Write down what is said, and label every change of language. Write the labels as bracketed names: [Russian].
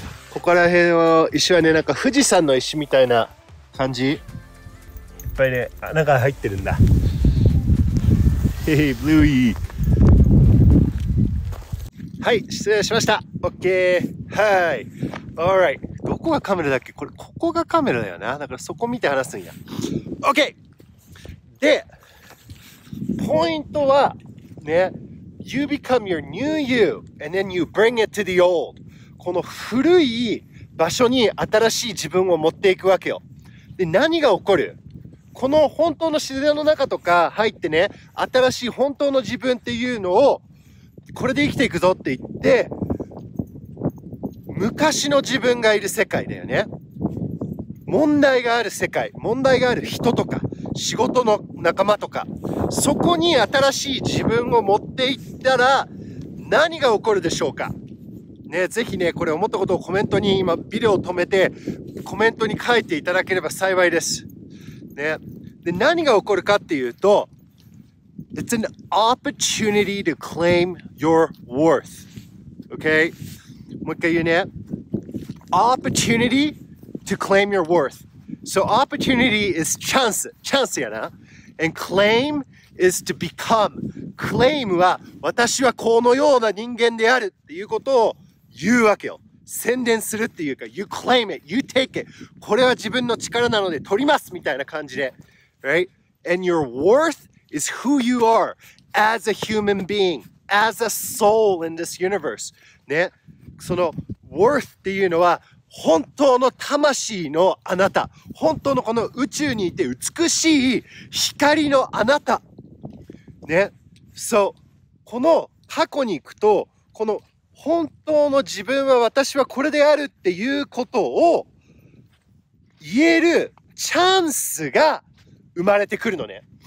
[Japanese] ここら辺の石はね、なんか富士山の石みたいな感じ、いっぱいね穴が入ってるんだ。ヘヘ、ブルーイー、はい、失礼しました。 OK、 はい、オーライ。どこがカメラだっけ、これ。ここがカメラだよな、だからそこ見て話すんや。 [English] OK、 [Japanese] でポイントはね、 [English] You become your new you and then you bring it to the old。 [Japanese] この古い場所に新しい自分を持っていくわけよ。で何が起こる、この本当の自然の中とか入ってね、新しい本当の自分っていうのをこれで生きていくぞって言って、昔の自分がいる世界だよね、問題がある世界、問題がある人とか仕事の仲間とか、そこに新しい自分を持っていったら何が起こるでしょうか、ね、ぜひねこれ思ったことをコメントに、今ビデオを止めてコメントに書いていただければ幸いです、ね、で何が起こるかっていうと、 [English] It's an opportunity to claim your worth、 [Japanese] okay? [English] もう一回言うね、 Opportunity to claim your worth。 So opportunity is chance, chance [Japanese] やな。 [English] And claim is to become. [Japanese] Claim は私はこのような人間であるっていうことを言うわけよ。宣伝するっていうか、 [English] you claim it, you take it. [Japanese] これは自分の力なので取りますみたいな感じで。 [English] Right? And your worth is who you are as a human being, as a soul in this universe. [Japanese] ね。その worth っていうのは本当の魂のあなた、本当のこの宇宙にいて美しい光のあなたね。そう、この過去に行くと、この本当の自分は私はこれであるっていうことを言えるチャンスが生まれてくるのね。